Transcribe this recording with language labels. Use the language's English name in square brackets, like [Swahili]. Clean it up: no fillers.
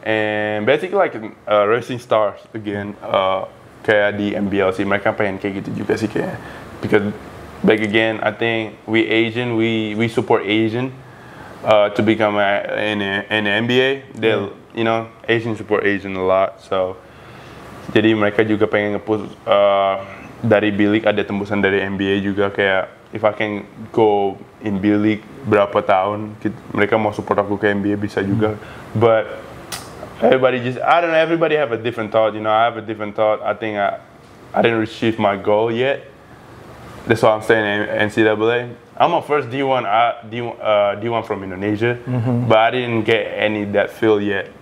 [English] And basically like a racing stars again. [Indonesian] Kayak di MBL sih, mereka pengen kayak gitu juga sih kayak, [English] because back again, I think we Asian, we support Asian to become an NBA. They'll you know, Asian support Asian a lot. [Indonesian] So jadi mereka juga pengen nge-push dari B-League, ada tembusan dari NBA juga, kayak [English] if I can go in B-League [Indonesian] berapa tahun, mereka mau support aku ke NBA bisa juga. [English] But everybody just, I don't know, everybody have a different thought, you know, I have a different thought. I think I didn't achieve my goal yet. That's why I'm staying in NCAA. I'm a first D1, D1 from Indonesia, but I didn't get any that feel yet.